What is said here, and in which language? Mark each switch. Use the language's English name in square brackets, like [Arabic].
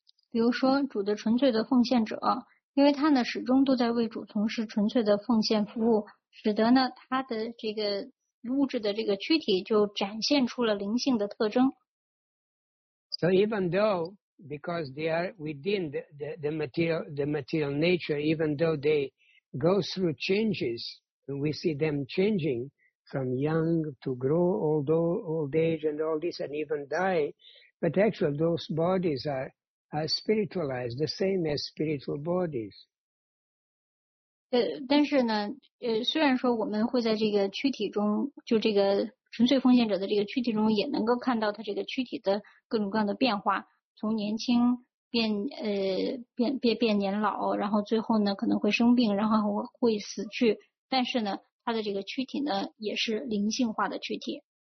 [Chinese] 比如说主的纯粹的奉献者，因为他呢始终都在为主从事纯粹的奉献服务，使得呢他的这个物质的这个躯体就展现出了灵性的特征。 [English] So even thoughBecause they are within the material nature, even though they go through changes, we see them changing from young to grow, old age and all this, and even die. But actually, those bodies are spiritualized, the same as spiritual bodies. [Chinese] 但是呢，虽然说我们会在这个躯体中，就这个纯粹奉献者的这个躯体中，也能够看到他这个躯体的各种各样的变化。从年轻变年老，然后最后呢可能会生病，然后会死去，但是呢他的这个躯体呢也是灵性化的躯体。